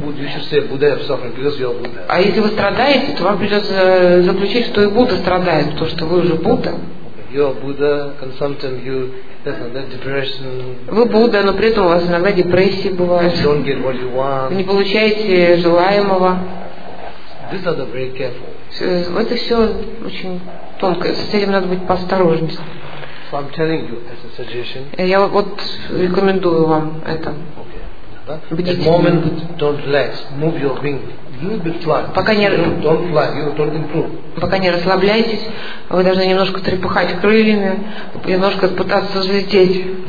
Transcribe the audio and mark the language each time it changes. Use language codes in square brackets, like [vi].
[en] You should say Buddha has suffering because you are Buddha. [ru] А если вы страдаете, то вам придется заключить, что и Будда страдает, потому что вы уже Будда. [en] Okay. You are Buddha, and sometimes you have depression. [ru] Вы Будда, но при этом у вас иногда депрессии бывают. [en] You don't get what you want. [ru] Вы не получаете желаемого. [en] These are the very careful. [ru] Это все очень тонко. С этим надо быть поосторожнее. [en] So I'm telling you as a suggestion. [ru] Я вот рекомендую вам это. [en] At moment, don't relax. Move your wing. You will be flat. [ru] Пока не [en] don't fly. You don't improve. [ru] Пока не расслабляйтесь, вы должны немножко трепыхать крыльями, немножко пытаться взлететь.